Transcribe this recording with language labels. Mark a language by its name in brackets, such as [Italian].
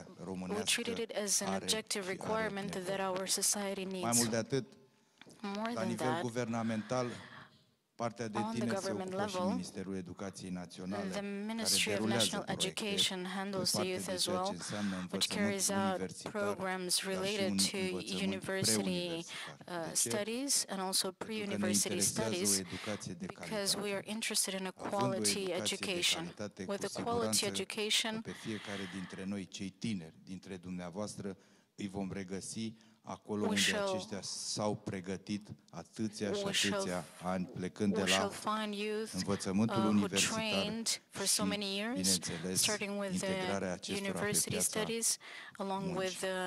[English] We treated it as an objective requirement that our society needs. More than that, [Romanian] partea de tine se ocupă și Ministerul Educației Naționale, [English] the Ministry of National Education handles the youth as well, which carries out programs related to university studies and also pre-university studies, because we are interested in a quality education. With a quality education, [Romanian] pe fiecare dintre noi, cei tineri, dintre dumneavoastră, îi vom regăsi acolo unde aceștia s-au pregătit atâția și atâția ani, plecând de la învățământul universitar și, bineînțeles, integrarea acestora pe piața muncii.